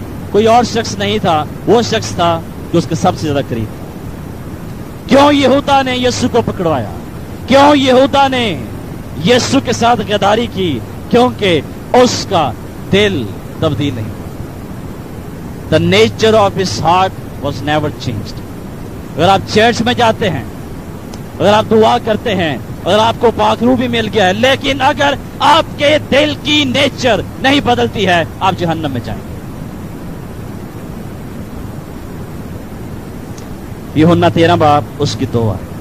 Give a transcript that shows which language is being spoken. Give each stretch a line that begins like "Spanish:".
Urdu: کوئی اور شخص نہیں تھا، وہ شخص تھا جو اس کے سب سے زیادہ قریب. کیوں یہودا نے یسو کو پکڑوایا؟ کیوں یہودا نے یسو کے ساتھ غداری کی؟ کیونکہ اس کا دل تبدیل نہیں.
English: The nature of his heart was never changed.
Urdu: اگر آپ چرچ میں جاتے ہیں، اگر آپ دعا کرتے ہیں، اگر آپ کو پاکرو بھی مل گیا ہے، لیکن اگر آپ کے دل کی نیچر نہیں بدلتی ہے، آپ جہنم میں جائیں. یوحنا 13 باب اس کی دعا.